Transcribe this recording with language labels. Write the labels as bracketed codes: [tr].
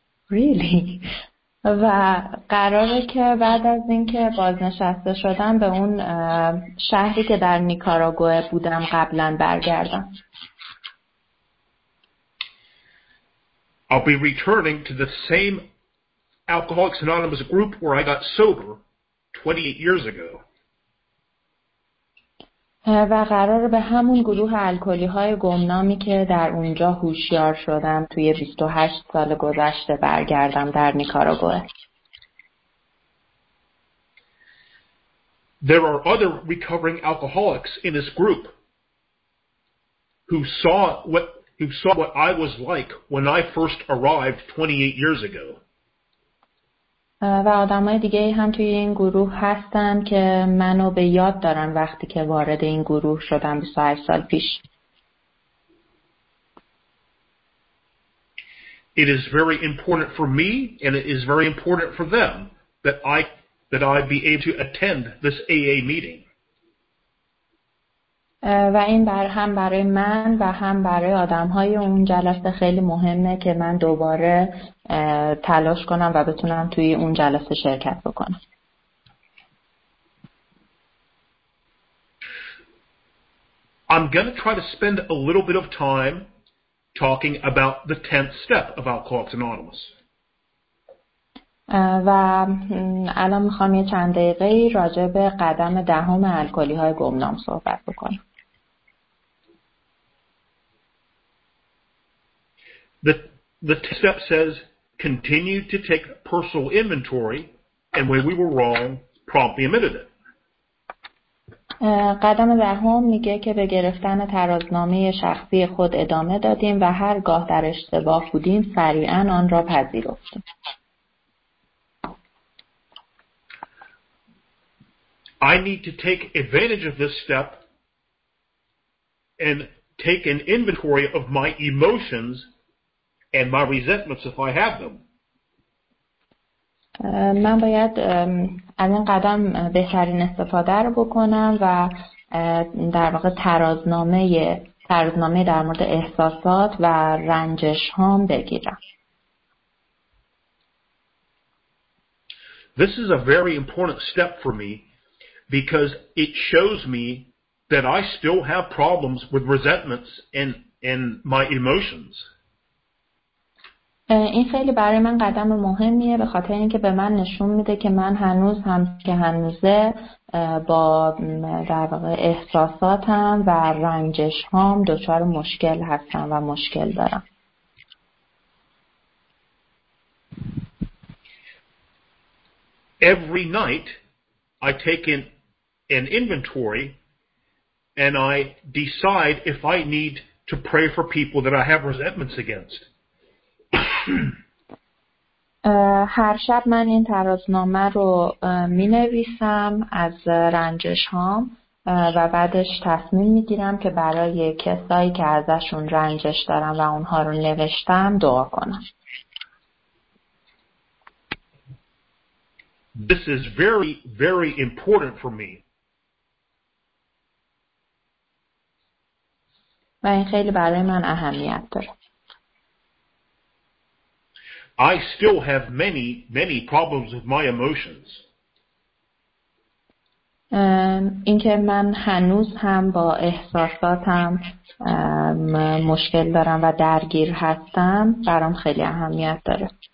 [en] Really? [fa] و قراره که بعد از اینکه بازنشسته شدم به اون شهری که در نیکاراگوئه بودم قبلا برگردم. [en] I'll be returning to the same Alcoholics Anonymous group where I got sober 28 years ago. [fa] و قرار به همون گروه الکلی‌های گمنامی که در اونجا هوشیار شدم توی 28 سال گذشته برگردم در نیکاراگوئه. [en] There are other recovering alcoholics in this group who saw what I was like when I first arrived 28 years ago. [fa] و آدمای دیگه هم توی این گروه هستن که منو به یاد دارن وقتی که وارد این گروه شدم 28 سال پیش. [en] It is very important for me and it is very important for them that I be able to attend this AA meeting. [fa] و این بر هم برای من و هم برای آدم‌های اون جلسه خیلی مهمه که من دوباره تلاش کنم و بتونم توی اون جلسه شرکت بکنم. [en] I'm going to try to spend a little bit of time talking about the 10th step of Alcoholics Anonymous. [fa] و الان می‌خوام یه چند دقیقه راجع به قدم دهم الکلی‌های گمنام صحبت بکنم. [en] The step says continue to take personal inventory and when we were wrong promptly admitted it. [fa] قدم دهم میگه که به گرفتن ترازنامه شخصی خود ادامه دادیم و هرگاه در اشتباه بودیم سریعا آن را پذیرفتیم. [en] I need to take advantage of this step and take an inventory of my emotions and my resentments if I have them. [fa] من باید از این قدم بهترین استفاده رو بکنم و در واقع ترازنامه در مورد احساسات و رنجش هام بگیرم. [en] This is a very important step for me because it shows me that I still have problems with resentments and my emotions. [fa] این خیلی برای من قدم مهمیه به خاطر اینکه به من نشون میده که من هنوز هم که هنوزه با در واقع احساساتم و رنجش هام دچار مشکل هستم و مشکل دارم. [en] Every night I take an inventory and I decide if I need to pray for people that I have resentments against. [fa] هر شب من این ترازنامه رو می نویسم از رنجش هام و بعدش تصمیم می گیرم که برای کسایی که ازشون رنجش دارم و اونها رو نوشتم دعا کنم. [en] This is very, very important for me. [fa] و این خیلی برای من اهمیت داره. [en] I still have many, many problems with my emotions. [fa] این که من هنوز هم با احساساتم مشکل دارم و درگیر هستم برام خیلی اهمیت داره.